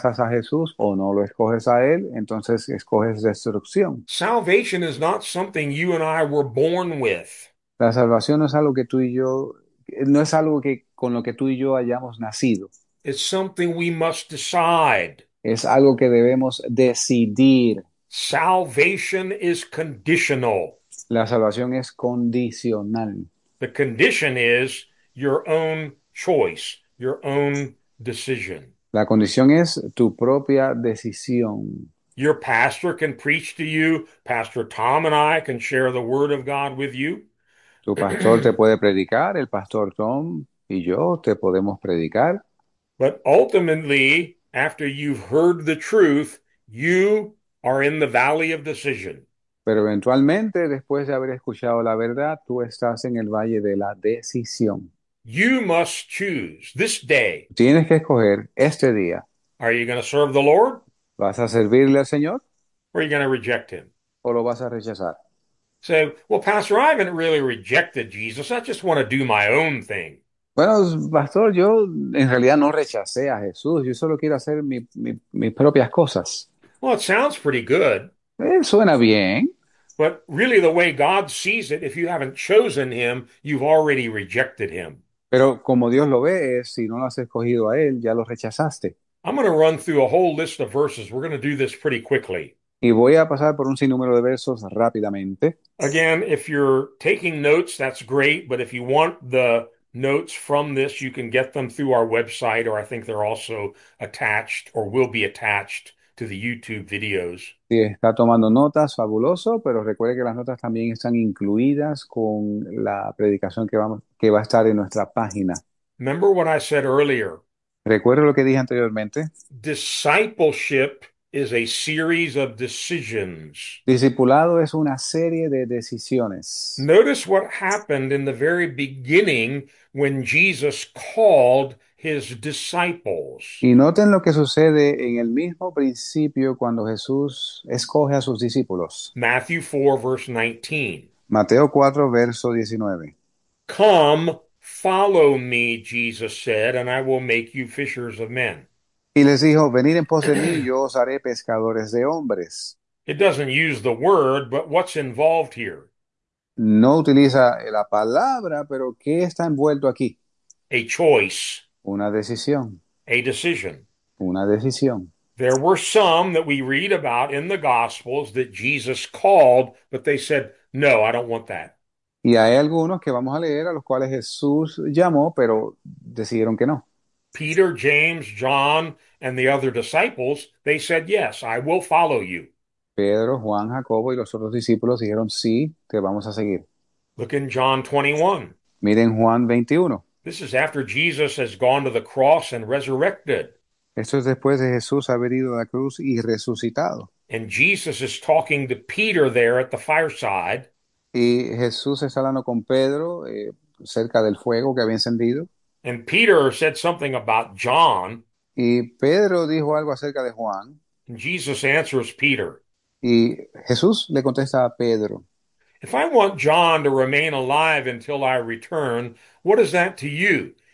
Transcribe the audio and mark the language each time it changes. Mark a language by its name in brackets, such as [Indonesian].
[Spanish] Jesús o no lo escoges a él, entonces escoges destrucción. [English] Salvation is not something you and I were born with. [Spanish] La salvación no es algo que tú y yo, no es algo que con lo que tú y yo hayamos nacido. [English] It's something we must decide. [Spanish] Es algo que debemos decidir. [English] Salvation is conditional. [Spanish] La salvación es condicional. [English] The condition is your own choice, your own decision. [Spanish] La condición es tu propia decisión. [English] Your pastor can preach to you. Pastor Tom and I can share the word of God with you. [Spanish] Tu pastor te puede predicar, el pastor Tom y yo te podemos predicar. [English] But ultimately, after you've heard the truth, you are in the valley of decision. [Spanish] Pero eventualmente, después de haber escuchado la verdad, tú estás en el valle de la decisión. [English] You must choose this day. [Spanish] Tienes que escoger este día. [English] Are you going to serve the Lord? [Spanish] ¿Vas a servirle al Señor [English] Or are you going to reject him? [Spanish] o lo vas a rechazar? [English] So, well, Pastor, I haven't really rejected Jesus. I just want to do my own thing. [Spanish] Bueno, pastor, yo en realidad no rechacé a Jesús, yo solo quiero hacer mis propias cosas. [English] Well, it sounds pretty good. [Spanish] Suena bien. [English] But really, the way God sees it, if you haven't chosen him, you've already rejected him. [Spanish] Pero como Dios lo ve, si no lo has escogido a Él, ya lo rechazaste. [English] I'm going to run through a whole list of verses. We're going to do this pretty quickly. [Spanish] Y voy a pasar por un sinnúmero de versos rápidamente. [English] Again, if you're taking notes, that's great. But if you want the notes from this, you can get them through our website, or I think they're also attached or will be attached to the YouTube videos. [Spanish] Si está tomando notas, fabuloso, pero recuerde que las notas también están incluidas con la predicación que va a estar en nuestra página. [English] Remember what I said earlier. [Spanish] Recuerde lo que dije anteriormente. [English] Discipleship is a series of decisions. [Spanish] Discipulado es una serie de decisiones. [English] Notice what happened in the very beginning when Jesus called his disciples. [Spanish] Y noten lo que sucede en el mismo principio cuando Jesús escoge a sus discípulos. [English] Matthew 4, verse 19. [Spanish] Mateo 4, verso 19. [English] Come, follow me, Jesus said, and I will make you fishers of men. [Spanish] Y les dijo, venid en pos de mí, [English] It [Spanish] yo os haré pescadores de hombres. [English] doesn't use the word, but what's involved here? [Spanish] No utiliza la palabra, pero ¿qué está envuelto aquí? [English] A choice, [Spanish] Una decisión. [English] a decision. [Spanish] Una decisión. [English] There were some that we read about in the Gospels that Jesus called, but they said, no, I don't want that. [Spanish] Y hay algunos que vamos a leer a los cuales Jesús llamó, pero decidieron que no. [English] Peter, James, John, and the other disciples, they said, yes, I will follow you. [Spanish] Pedro, Juan, Jacobo y los otros discípulos dijeron, sí, te vamos a seguir. [English] Look in John 21. [Spanish] Miren Juan 21. [English] This is after Jesus has gone to the cross and resurrected. [Spanish] Esto es después de Jesús haber ido a la cruz y resucitado. [English] And Jesus is talking to Peter there at the fireside. [Spanish] Y Jesús está hablando con Pedro cerca del fuego que había encendido. [English] And Peter said something about John. [Spanish] Y Pedro dijo algo acerca de Juan. [English] And Jesus answers Peter. [Spanish] Y Jesús le contesta a Pedro. [English] If I want John to remain alive until I return, what is that to you?